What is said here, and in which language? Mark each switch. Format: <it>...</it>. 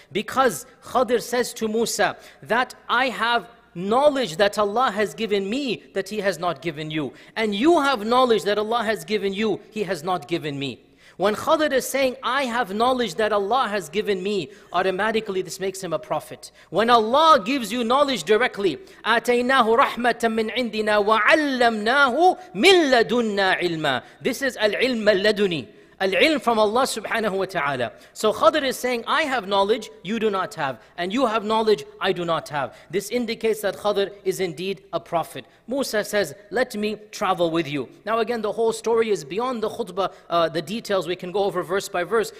<en>Because Khadr says to Musa that I have knowledge that Allah has given me that he has not given you. And you have knowledge that Allah has given you, he has not given me. When Khadr is saying, I have knowledge that Allah has given me, automatically this makes him a prophet. When Allah gives you knowledge directly,</en> <ar>أَتَيْنَاهُ رَحْمَةً مِّنْ عِنْدِنَا وَعَلَّمْنَاهُ مِنْ لَدُنَّا عِلْمًا.</ar> <en>This is العلم الَّدُنِي. العلم from Allah subhanahu wa ta'ala. So Khadr is saying, I have knowledge, you do not have. And you have knowledge, I do not have. This indicates that Khadr is indeed a prophet. Musa says, let me travel with you. Now again, the whole story is beyond the khutbah, the details. We can go over verse by verse.</en>